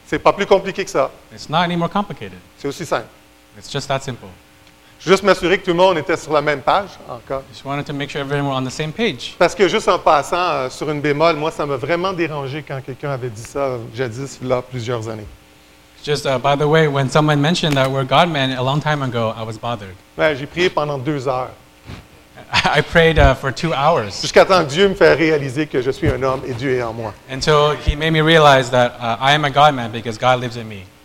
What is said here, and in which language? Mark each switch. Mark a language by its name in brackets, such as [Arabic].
[French] C'est pas plus compliqué que ça. [English] It's not any more complicated. [French] C'est aussi simple. [English] It's just that simple. [French] Juste m'assurer que tout le monde était sur la même page encore. [English] Just wanted to make sure everyone was on the same page. [French] Parce que juste en passant sur une bémol, moi ça m'a vraiment dérangé quand quelqu'un avait dit ça jadis là plusieurs années. [English] Just by the way, when someone mentioned that we're God men a long time ago, I was bothered. [French] Ouais, j'ai prié pendant 2 heures. [English] I prayed for 2 hours. [French] Jusqu'à temps que Dieu me fait réaliser que je suis un homme et Dieu est en moi. [English] Until he made me realize that I am a God man because God lives in me.